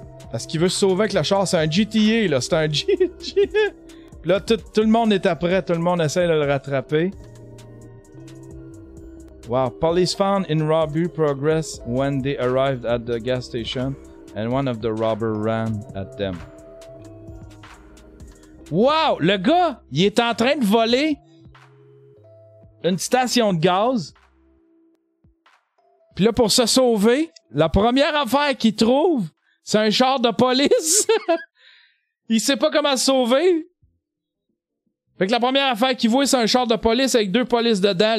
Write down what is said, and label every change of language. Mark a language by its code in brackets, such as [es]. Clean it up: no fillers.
[fr] Parce qu'il veut se sauver avec le char, c'est un GTA là, c'est un GTA. Là, tout le monde est après, tout le monde essaie de le rattraper. [en] Wow, police found in robbery progress when they arrived at the gas station and one of the robbers ran at them. [fr] Wow, le gars, il est en train de voler une station de gaz. Puis là, pour se sauver, la première affaire qu'il trouve, c'est un char de police. Il sait pas comment se sauver. Fait que la première affaire qu'il voit, c'est un char de police avec deux polices dedans.